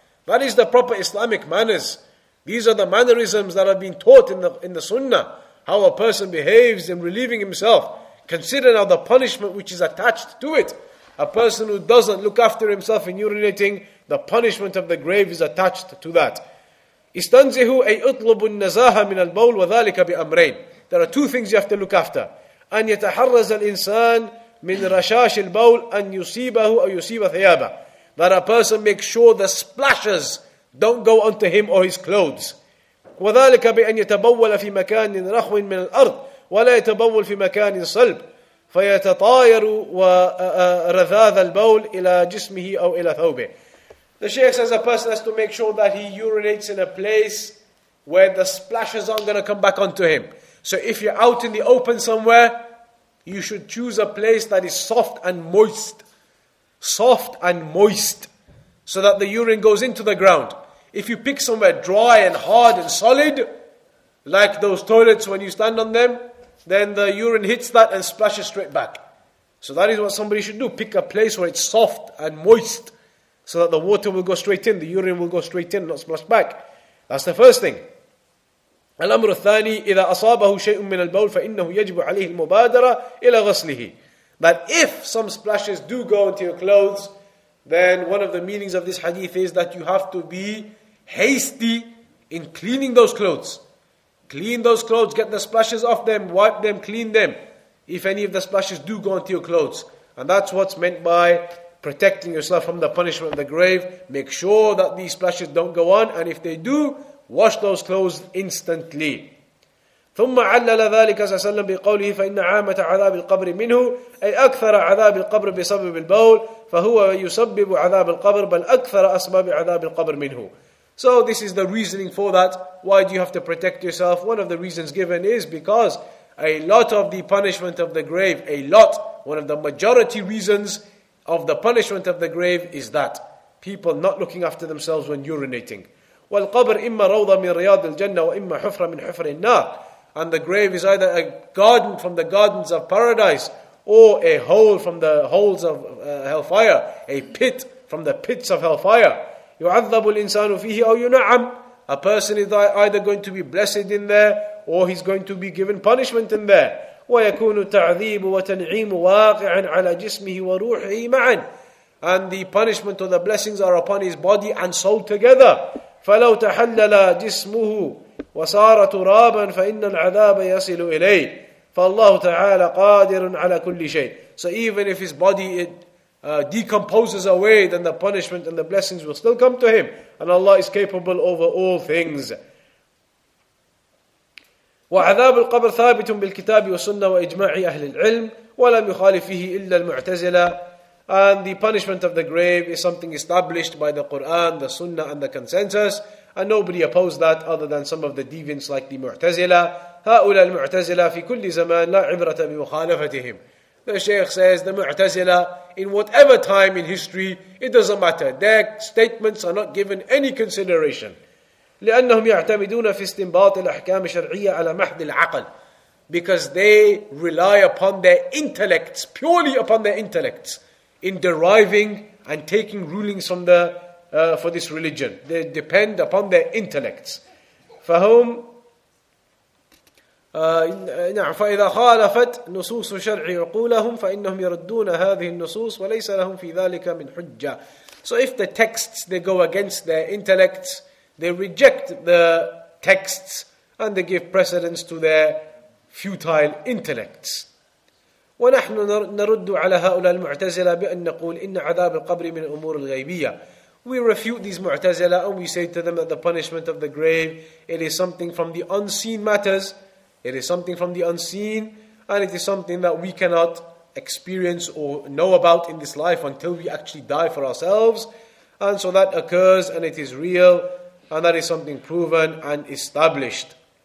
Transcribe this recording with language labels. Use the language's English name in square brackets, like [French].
[English] That is the proper Islamic manners. These are the mannerisms that have been taught in the Sunnah, how a person behaves in relieving himself. Consider now the punishment which is attached to it. A person who doesn't look after himself in urinating, the punishment of the grave is attached to that. [Arabic] استنزهوا أي اطلبوا النزاهة من البول وذلك بأمرين. [English] There are two things you have to look after. [Arabic] أن يتحرز الإنسان من رشاش البول أن يصيبه أو يصيب ثيابه. [English] That a person makes sure the splashes don't go onto him or his clothes. [Arabic] وذلك بأن يتبول في مكان رخو من الأرض ولا يتبول في مكان صلب فيتطاير ورذاذ البول إلى جسمه أو إلى ثوبه. [English] The Shaykh says a person has to make sure that he urinates in a place where the splashes aren't going to come back onto him. So if you're out in the open somewhere, you should choose a place that is soft and moist. Soft and moist. So that the urine goes into the ground. If you pick somewhere dry and hard and solid, like those toilets when you stand on them, then the urine hits that and splashes straight back. So that is what somebody should do. Pick a place where it's soft and moist. So that the water will go straight in, the urine will go straight in, not splash back. That's the first thing. [Arabic] الأمر الثاني إذا أصابه شيء من البول فإنه يجب عليه المبادرة إلى غسله. [English] But if some splashes do go into your clothes, then one of the meanings of this hadith is that you have to be hasty in cleaning those clothes. Clean those clothes, get the splashes off them, wipe them, clean them. If any of the splashes do go into your clothes. And that's what's meant by protecting yourself from the punishment of the grave. Make sure that these splashes don't go on. And if they do, wash those clothes instantly. [Arabic] ثم علل ذلك صلى الله عليه وسلم بقوله فإن عامة عذاب القبر منه أي أكثر عذاب القبر بسبب البول فهو يسبب عذاب القبر بل أكثر أسباب عذاب القبر منه. [English] So this is the reasoning for that. Why do you have to protect yourself? One of the reasons given is because a lot of the punishment of the grave, a lot, one of the majority reasons of the punishment of the grave is that people not looking after themselves when urinating. [Arabic] والقبر إما روضة من رياض الجنة وإما حفرة من حفر النار. [English] And the grave is either a garden from the gardens of paradise or a hole from the holes of hellfire, a pit from the pits of hellfire. [Arabic] يُعَذَّبُ الْإِنسَانُ فِيهِ أَوْ يُنَعَمْ. [English] A person is either going to be blessed in there or he's going to be given punishment in there. [Arabic] وَيَكُونُ التَّعْذِيبُ وَتَنْعِيمُ وَاقِعًا عَلَى جِسْمِهِ وَرُوحِهِ مَعًا. [English] And the punishment or the blessings are upon his body and soul together. [Arabic] فَلَوْ تَحَلَّلَ جِسْمُهُ وصار ترابا فإن العذاب يصل إليه فالله تعالى قادر على كل شيء. [English] So even if his body decomposes away, then the punishment and the blessings will still come to him, and Allah is capable over all things. [Arabic] وعذاب القبر ثابت بالكتاب والسنة وإجماع أهل العلم ولم يخالف فيه إلا المعتزلة. [English] And the punishment of the grave is something established by the Quran, the Sunnah, and the consensus. And nobody opposed that other than some of the deviants like the Mu'tazila. [Arabic] هؤلاء المعتزلة في كل زمان لا عبرة بمخالفتهم. [English] The Shaykh says, the Mu'tazila, in whatever time in history, it doesn't matter. Their statements are not given any consideration. [Arabic] لأنهم يعتمدون في استنباط الأحكام الشرعية على محض العقل. [English] Because they rely upon their intellects, purely upon their intellects, in deriving and taking rulings from the for this religion. They depend upon their intellects. [Arabic] فهم فإذا خالفت نصوص شرع عقولهم فإنهم يردون هذه النصوص وليس لهم في ذلك من حجة. [English] So if the texts, they go against their intellects, they reject the texts and they give precedence to their futile intellects. [Arabic] ونحن نرد على هؤلاء المعتزلة بأن نقول إن عذاب القبر من الأمور الغيبية. [English] We refute these Mu'tazila and we say to them that the punishment of the grave, it is something from the unseen matters, it is something from the unseen, and it is something that we cannot experience or know about in this life until we actually die for ourselves. And so that occurs and it is real, and that is something proven and established.